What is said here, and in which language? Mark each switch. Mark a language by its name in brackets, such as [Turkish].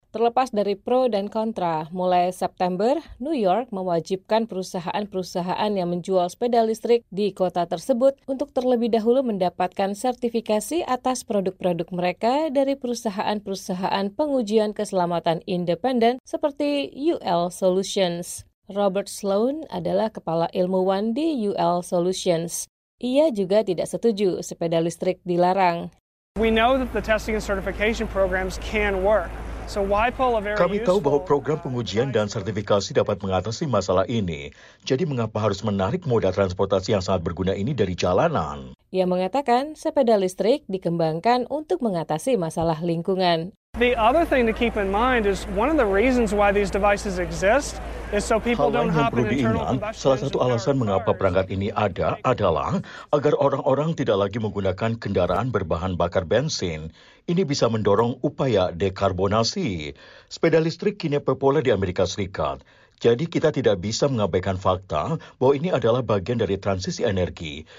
[Indonesian] Terlepas dari pro dan kontra, mulai September, New York mewajibkan perusahaan-perusahaan yang menjual sepeda listrik di kota tersebut untuk terlebih dahulu mendapatkan sertifikasi atas produk-produk mereka dari perusahaan-perusahaan pengujian keselamatan independen seperti UL Solutions. Robert Sloan adalah kepala ilmuwan di UL Solutions. Ia juga tidak setuju sepeda listrik dilarang. [English] We know that the testing and certification programs can work. So why pull a very [Indonesian] Kami tahu bahwa program pengujian dan sertifikasi dapat mengatasi masalah ini. Jadi mengapa harus menarik moda transportasi yang sangat berguna ini dari jalanan? Ia mengatakan sepeda listrik dikembangkan untuk mengatasi masalah lingkungan. [English] The other thing to keep in mind is one of the reasons why these devices exist [Indonesian] Hal lain yang perlu diingat, salah satu alasan mengapa perangkat ini ada adalah agar orang-orang tidak lagi menggunakan kendaraan berbahan bakar bensin. Ini bisa mendorong upaya dekarbonasi. Sepeda listrik kini populer di Amerika Serikat. Jadi kita tidak bisa mengabaikan fakta bahwa ini adalah bagian dari transisi energi.